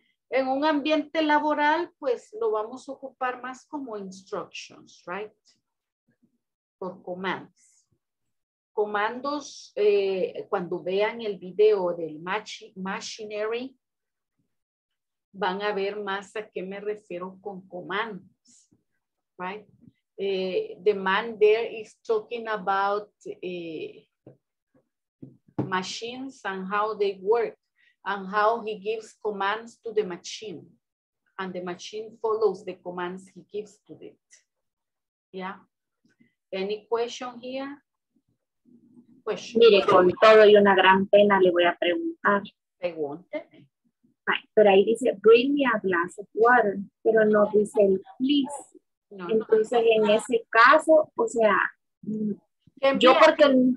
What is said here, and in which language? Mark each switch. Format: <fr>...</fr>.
<es>En un ambiente laboral, pues lo vamos a ocupar más como instructions, right?</es> <en>Or commands.</en> <es>Comandos, cuando vean el video del machinery, van a ver más a qué me refiero con comandos, right?</es> <en>The man there is talking about machines and how they work and how he gives commands to the machine and the machine follows the commands he gives to it. Yeah? Any question here? Question.</en> <es>Mire, con todo y una gran pena le voy a preguntar. Pregúnteme. Pero ahí dice,</es> <en>bring me a glass of water,</en> <es>pero no dice el please. No, entonces, no. En ese caso, o sea, yo porque...</es>